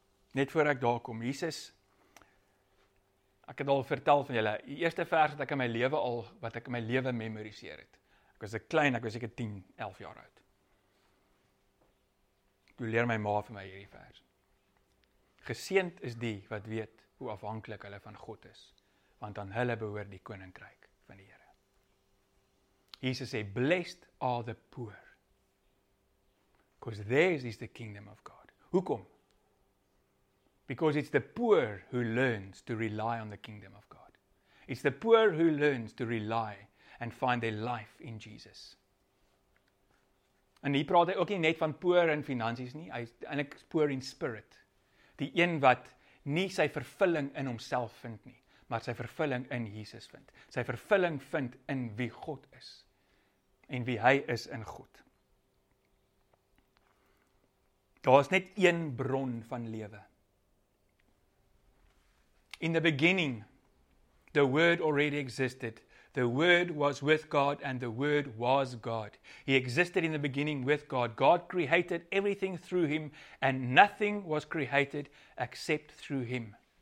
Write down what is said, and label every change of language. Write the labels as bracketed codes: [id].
[af] Net voor ek daar kom, Jesus, ek het al vertel van julle, die eerste vers wat ek in my lewe al, wat ek in my lewe memoriseer het. Ek was klein, ek was seker 10, 11 jaar oud. Toe leer my ma vir my hierdie vers. Geseend is die wat weet hoe afhanklik hulle van God is, want aan hulle behoort die koninkryk. Jesus sê, [en] blessed are the poor. Because theirs is the kingdom of God. [af] Hoekom? [en] Because it's the poor who learns to rely on the kingdom of God. It's the poor who learns to rely and find their life in Jesus. [af] En hier praat hy ook nie net van poor in finansies nie. Hy is eintlik [en] poor in spirit. [af] Die een wat nie sy vervulling in homself vind nie, maar sy vervulling in Jesus vind. Sy vervulling vind in wie God is. En wie hy is in God. Daar is net een bron van lewe. [en] In the beginning, the word already existed. The word was with God and the word was God. He existed in the beginning with God. God created everything through him and nothing was created except through him.